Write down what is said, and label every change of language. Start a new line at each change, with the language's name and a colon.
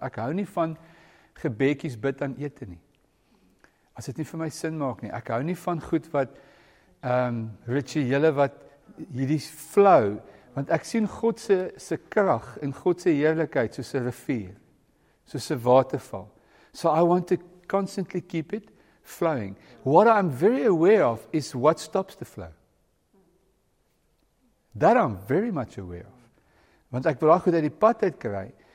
Afrikaans: Ek hou nie van gebekkies bid aan ete nie. As dit nie vir my sin maak nie. Ek hou nie van goed wat rituele wat hierdie flow, want ek sien God se krag en God se heerlikheid soos 'n rivier, soos 'n waterval.
English: So I want to constantly keep it flowing. What I'm very aware of is what stops the flow. That I'm very much aware of.
Afrikaans: Want ek wil daai goed uit die pad uit kry.